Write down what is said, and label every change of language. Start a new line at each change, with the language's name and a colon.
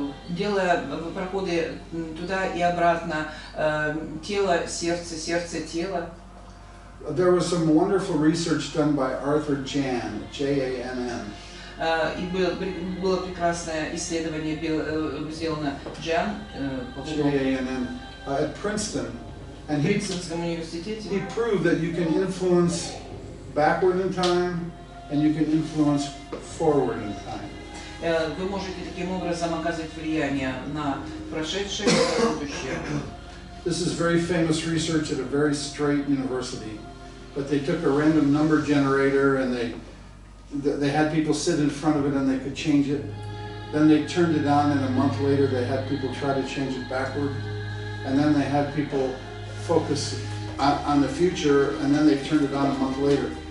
Russian: Делая проходы туда и обратно, тело, сердце, сердце, тело.
English: There was some wonderful research done by Arthur Jann, J-A-N-N.
Russian: Было прекрасное исследование сделано
English: J-A-N-N, at Princeton.
Russian: And Принстонском университете.
English: He proved that you can influence backward in time, and you can influence forward in time.
Russian: Вы можете таким образом оказывать влияние на прошедшее и будущее.
English: This is very famous research at a very straight university, but they took a random number generator and they had people sit in front of it and they could change it. Then they turned it on and a month later they had people try to change it backward, and then they had people focus on the future and then they turned it on a month later.